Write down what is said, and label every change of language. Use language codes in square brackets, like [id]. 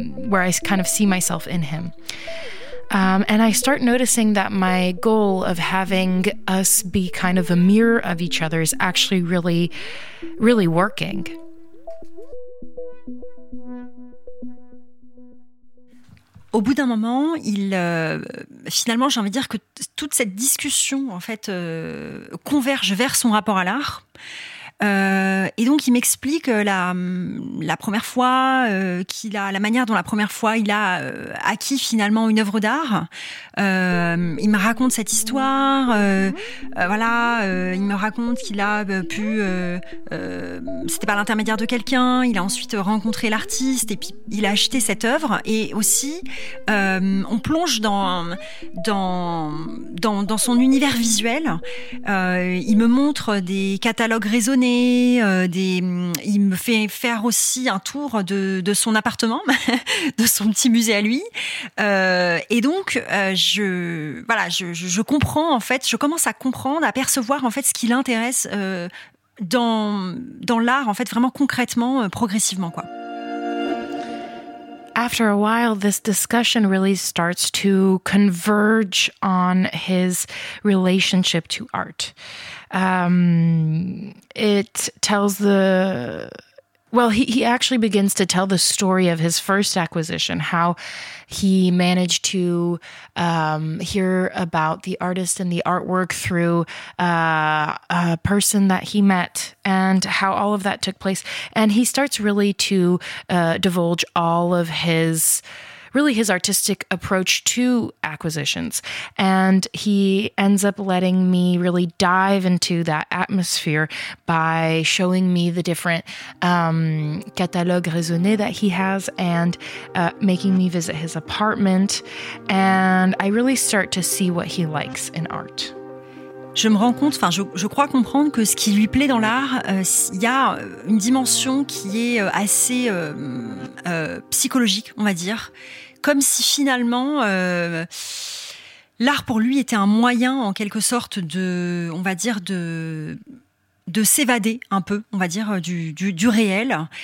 [en] where I kind of see myself in him. And I start noticing that my goal of having us be kind of a mirror of each other is actually really, really working. [fr] Au bout d'un moment, finalement, j'ai envie de dire que toute cette discussion, en fait, converge vers son rapport à l'art. Et donc il m'explique la première fois qu'il a la manière dont la première fois il a acquis finalement une œuvre d'art. Il me raconte cette histoire. Il me raconte qu'il a pu c'était par l'intermédiaire de quelqu'un. Il a ensuite rencontré l'artiste et puis il a acheté cette œuvre. Et aussi on plonge dans son univers visuel. Il me montre des catalogues raisonnés. Il me fait faire aussi un tour de son appartement, de son petit musée à lui. Je comprends en fait, je commence à comprendre, à percevoir en fait ce qui l'intéresse dans l'art en fait vraiment concrètement, progressivement quoi. [en] After a while, this discussion really starts to converge on his relationship to art. He actually begins to tell the story of his first acquisition, how he managed to hear about the artist and the artwork through a person that he met and how all of that took place. And he starts really to divulge all of his, really his artistic approach to acquisitions. And he ends up letting me really dive into that atmosphere by showing me the different catalogues raisonnés that he has and making me visit his apartment. And I really start to see what he likes in art. [fr] Je me rends compte, enfin, je crois comprendre que ce qui lui plaît dans l'art, il y a une dimension qui est assez psychologique, on va dire. Comme si finalement, l'art pour lui était un moyen, en quelque sorte, de s'évader un peu, on va dire, du réel.